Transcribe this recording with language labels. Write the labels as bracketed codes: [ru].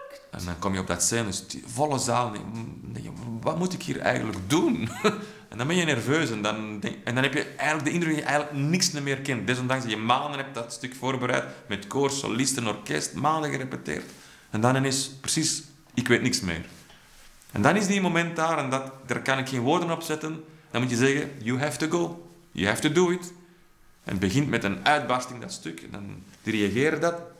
[nl] En dan kom je op dat scène, dus die volle zaal. Wat moet ik hier eigenlijk doen? En dan ben je nerveus en dan heb je eigenlijk de indruk dat je eigenlijk niks meer kent. Desondanks dat je maanden hebt dat stuk voorbereid met koor, solisten, orkest, maanden gerepeteerd. En dan is precies, ik weet niks meer. En dan is die moment daar en daar kan ik geen woorden op zetten. Dan moet je zeggen, [en] you have to go, you have to do it. [nl] En het begint met een uitbarsting dat stuk en dan reageer dat.